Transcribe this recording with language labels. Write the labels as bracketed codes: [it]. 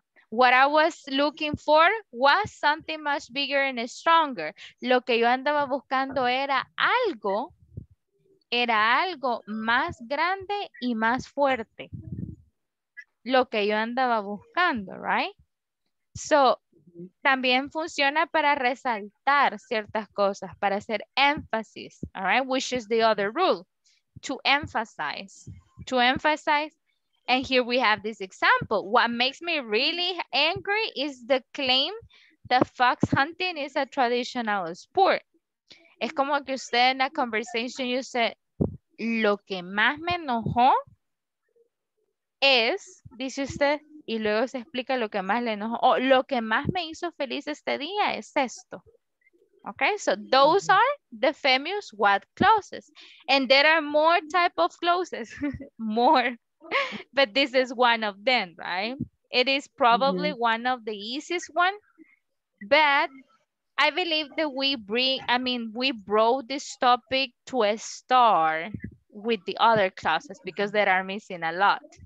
[en] What I was looking for was something much bigger and stronger. [es] Lo que yo andaba buscando era algo más grande y más fuerte. Lo que yo andaba buscando, right? So, también funciona para resaltar ciertas cosas, para hacer énfasis, all right? [en] Which is the other rule, to emphasize. And here we have this example. What makes me really angry is the claim that fox hunting is a traditional sport. [es] Es como que usted en la conversation, [en] you said, [es] lo que más me enojó es, dice usted, y luego se explica lo que más le enojó, o lo que más me hizo feliz este día es esto. [en] Okay, so those are the famous what clauses. And there are more type of clauses, more. But this is one of them, right? It is probably one of the easiest one. But I believe that we brought this topic to a start with the other clauses because there are missing a lot.